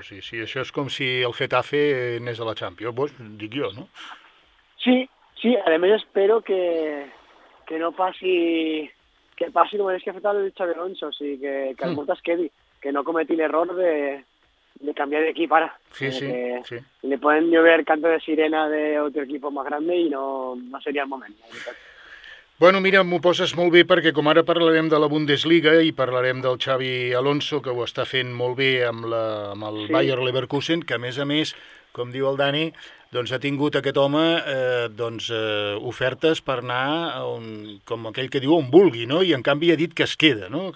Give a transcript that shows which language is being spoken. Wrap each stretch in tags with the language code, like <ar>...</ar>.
<ca>Sí, això és com si el Getafe anés a la Champions, pues, dic jo, no? Sí, a més espero que no passi, que passi com és que ha fet el Xabi Alonso, o sigui, que el Mota es quedi, que no cometi l'error de cambiar de equipo ahora. Sí.</ca> <es>Le pueden llover canto de sirena de otro equipo más grande y no sería el momento.</es> <ca>Bueno, mira, m'ho poses molt bé perquè com ara parlarem de la Bundesliga i parlarem del Xavi Alonso, que ho està fent molt bé amb el Bayer Leverkusen, que a més, com diu el Dani, doncs ha tingut aquest home ofertes per anar on, com aquell que diu, on vulgui, no? I en canvi ha dit que es queda, no?</ca>